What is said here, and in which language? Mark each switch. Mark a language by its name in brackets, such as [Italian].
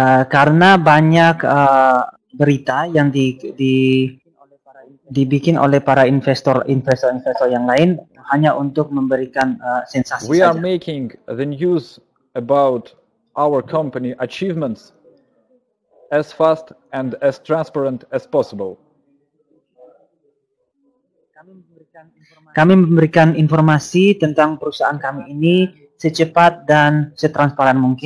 [Indonesian] Karena banyak berita yang dibikin oleh para investor-investor yang lain hanya untuk memberikan sensasi saja. [English] We are making the news about our company achievements as fast and as transparent as possible. [Indonesian] Kami memberikan informasi tentang perusahaan kami ini secepat dan setransparan mungkin.